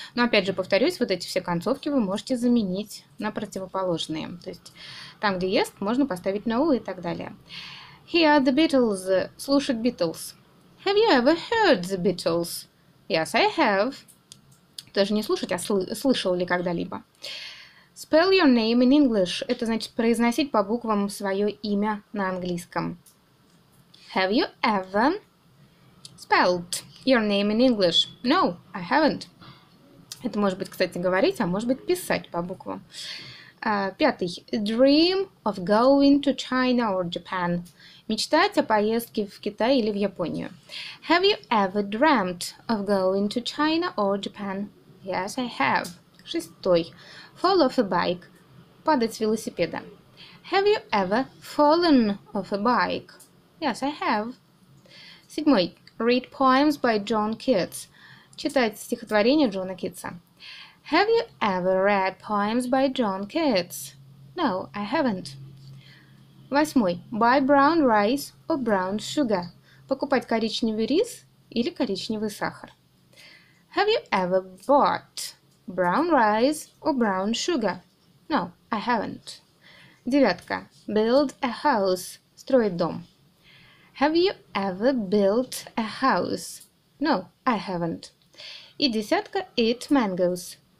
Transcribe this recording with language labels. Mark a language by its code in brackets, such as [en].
[ru] Но опять же повторюсь, вот эти все концовки вы можете заменить на противоположные. То есть там, где yes, можно поставить no и так далее. [en] Here are the Beatles. [ru] Слушать Beatles. [en] Have you ever heard the Beatles? Yes, I have. [ru] Тоже не слушать, а слышал ли когда-либо. [en] Spell your name in English. [ru] Это значит произносить по буквам свое имя на английском. [en] Have you ever spelled your name in English? No, I haven't. [ru] Это может быть, кстати, говорить, а может быть писать по буквам. Пятый. [en] Dream of going to China or Japan. [ru] Мечтать о поездке в Китай или в Японию. [en] Have you ever dreamt of going to China or Japan? Yes, I have. [ru] Шестой. [en] Fall off a bike. [ru] падать с велосипеда. [en] Have you ever fallen off a bike? Yes, I have. [ru] Седьмой. [en] Read poems by John Keats. [ru] Читать стихотворения Джона Китса. [en] Have you ever read poems by John Keats? No, I haven't. [ru] Восьмой. [en] Buy brown rice or brown sugar. [ru] Покупать коричневый рис или коричневый сахар. [en] Have you ever bought brown rice or brown sugar? No, I haven't. [ru] Девятка. [en] Build a house. [ru] Строить дом. [en] Have you ever built a house? No, I haven't. [ru] И десятка. [en] Eat mangoes.